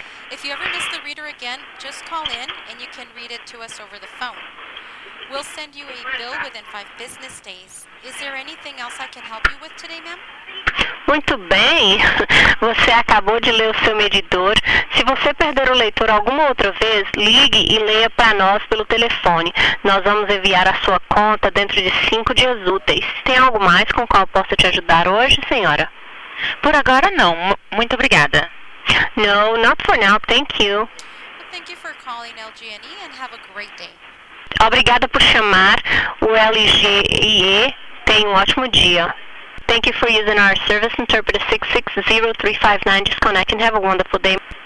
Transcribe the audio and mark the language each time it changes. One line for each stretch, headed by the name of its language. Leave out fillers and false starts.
English: If you ever miss the reader again, just call in and you can read it to us over the phone. We'll send you a bill within 5 business days. Is there anything else I can help you with today, ma'am?
Portuguese: Muito bem, você acabou de ler o seu medidor. Se você perder o leitor alguma outra vez, ligue e leia para nós pelo telefone. Nós vamos enviar a sua conta dentro de 5 dias úteis. Tem algo mais com o qual posso te ajudar hoje, senhora? Por agora, não. Muito obrigada.
English: No, not for now. Thank you. Thank you for calling LGNE and have a great day.
Portuguese: Obrigada por chamar o LGIE. Tenha um ótimo dia.
English: Thank you for using our service interpreter 660-359. Disconnect and have a wonderful day.